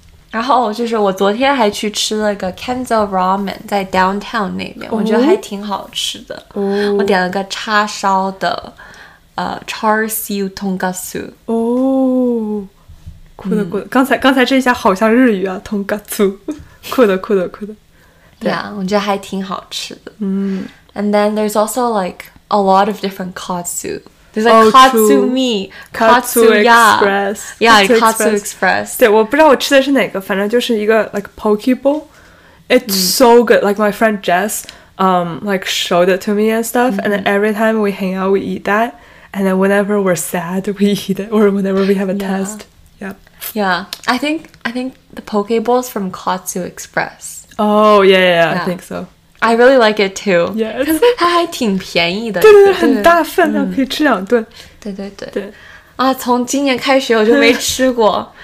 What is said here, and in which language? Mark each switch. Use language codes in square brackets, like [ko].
[zh] 然后就是我昨天还去吃了个 Kenzo Ramen， 在 downtown 那边，我觉得还挺好吃的。哦、我点了个叉烧的， [en] char siu tonkatsu。 [zh] 哦，酷的酷的。刚才这一下好像日语啊 ，tonkatsu， 酷的酷的酷的。对啊，我觉得还挺好吃的。嗯。 [en] And then there's also like a lot of different katsu. There's like katsu meat, katsu express, yeah, katsu express. [zh] 对，我不知道我吃的是哪个，反正就是一个 [en] like poke bowl. It's、mm. so good. Like my friend Jess, like showed it to me and stuff.、Mm. And then every time we hang out, we eat that. And then whenever we're sad, we eat it. Or whenever we have a test. Yeah. I think the poke bowl is from katsu express. Oh, yeah. I think so. I really like it too. Yes. [zh] 它还挺便宜的。对对对，很大份量、啊嗯、可以吃两顿。对对对。对。啊，从今年开学我就没吃过。